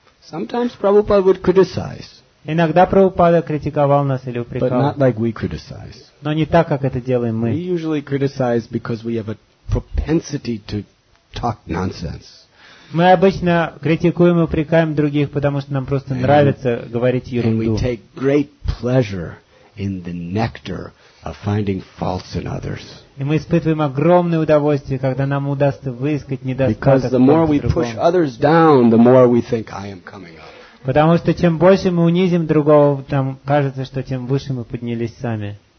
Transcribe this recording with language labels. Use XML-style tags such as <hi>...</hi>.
<en>Sometimes Prabhupada would criticize.</en> <ru>Иногда Прабхупада критиковал нас или упрекал.</ru> <en>But not like we criticize.</en> <ru>Но не так, как это делаем мы.</ru> <en>We usually criticize because we have a propensity to talk nonsense.</en> <ru>Мы обычно критикуем и упрекаем других, потому что нам просто нравится говорить ерунду.</ru> <en>And we take great pleasure in the nectar of finding faults in others.</en> <ru>И мы испытываем огромное удовольствие, когда нам удастся выискать недостаток.</ru> <en>Because the more we push others down, the more we think I am coming up.</en> <ru>Потому что чем больше мы унизим другого, там кажется, что тем выше мы поднялись сами.</ru>